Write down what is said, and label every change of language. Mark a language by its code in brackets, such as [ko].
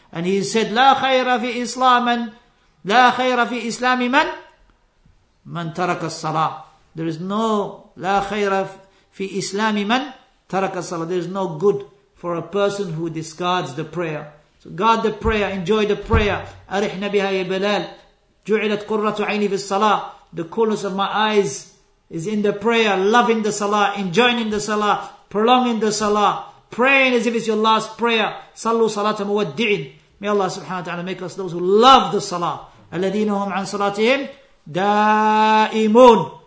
[en] And he said, [ar] لا خير في إسلام من من ترك الصلاة. [en] There is no... [ar] لا خير في إسلام من ترك الصلاة. [en] There is no good for a person who discards the prayer. So guard the prayer, enjoy the prayer. [ar] أرحنا بها يا بلال. جعلت قرة عيني في الصلاة. [en] The coolness of my eyes is in the prayer, loving the Salah, enjoying the Salah, prolonging the Salah, praying as if it's your last prayer. [ar] صلوا صلاة مودعين. [en] May Allah subhanahu wa ta'ala make us those who love the Salah. [ar] الذين هم عن صلاتهم دائمون.